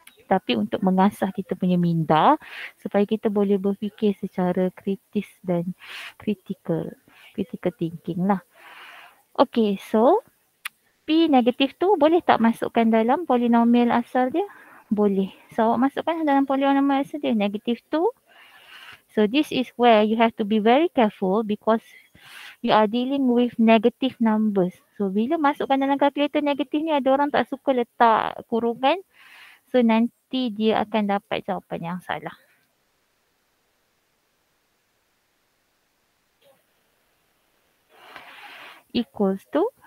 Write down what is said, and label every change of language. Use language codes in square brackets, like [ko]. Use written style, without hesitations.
[ms] Tapi untuk mengasah kita punya minda supaya kita boleh berfikir secara kritis dan [en] critical thinking [ms] lah. Okay, so P negatif tu boleh tak masukkan dalam polinomial asal dia? Boleh. So awak masukkan dalam polinomial asal dia, negatif tu. [en] So this is where you have to be very careful because you are dealing with negative numbers. [ms] So bila masukkan dalam kalkulator negatif ni, ada orang tak suka letak kurungan. So nanti dia akan dapat jawapan yang salah. [en] Equals to.